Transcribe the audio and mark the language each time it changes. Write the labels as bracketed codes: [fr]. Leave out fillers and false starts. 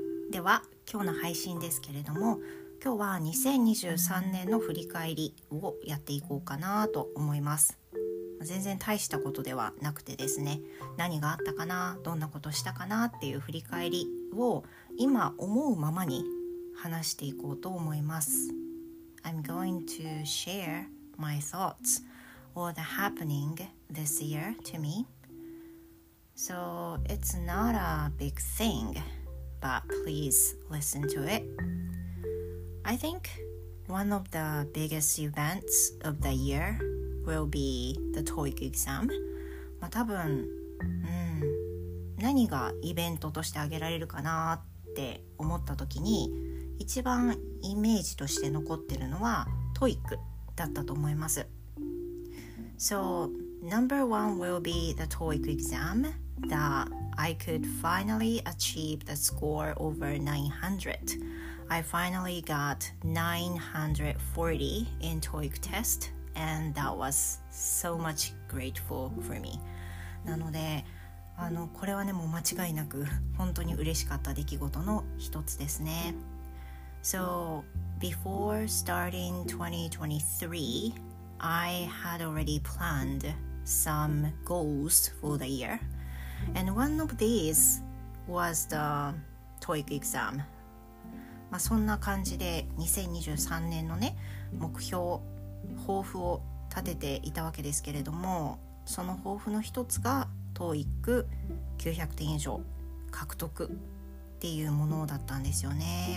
[ja] では、今日の配信ですけれども、今日は2023年の振り返りをやっていこうかなと思います。全然大したことではなくてですね、何があったかな、どんなことしたかなっていう振り返りを今思うままに話していこうと思います。 [en] I'm going to share my thoughts or the happening this year to me So it's not a big thing, but please listen to it. I think one of the biggest events of the year will be the TOEIC exam. [ja] まあ多分、何がイベントとして挙げられるかなって思った時に一番イメージとして残ってるのは TOEIC だったと思います。 [en] So number one will be the TOEIC exam that I could finally achieve the score over 900. I finally got 940 in TOEIC test and that was so much grateful for me. [ja] なのでこれはねもう間違いなく本当に嬉しかった出来事の一つですね。 [en] So before starting 2023, I had already planned some goals for the year. And one of these was the TOEIC exam. [ja] まあそんな感じで2023年のね目標抱負を立てていたわけですけれども、その抱負の一つがTOEIC 900点以上獲得っていうものだったんですよね。